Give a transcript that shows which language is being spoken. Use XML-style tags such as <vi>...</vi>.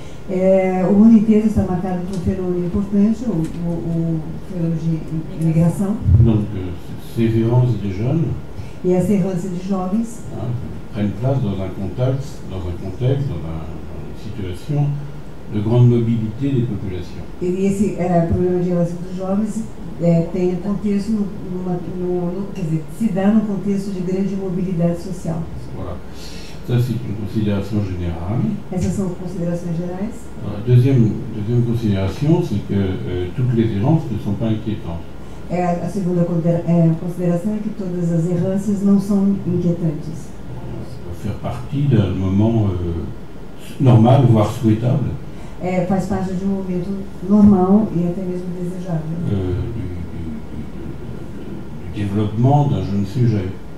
<fr>Le monde entier est marqué par un phénomène important, ou phénomène de migration. Donc, ces errances des jeunes. Et ces errances des jeunes. Prennent place dans un contexte, dans une situation de grande mobilité des populations. Et ce problème de migration des jeunes.</fr> <pt>Tem um contexto numa, no, quer dizer, se dá num contexto de grande mobilidade social.</pt> <fr>Voilà. Ça, c'est une considération générale.</fr> <pt>Essas são considerações gerais.</pt> <fr>Deuxième considération, c'est que toutes les errances ne sont pas inquiétantes.</fr> <pt>É a segunda consideração é que todas as errâncias não são inquietantes.</pt> <fr>Faire partie d'un moment normal, voire souhaitable.</fr> <pt>É, faz parte de um momento normal e até mesmo desejável.</pt> <fr>Du développement d'un jeune sujet.</fr>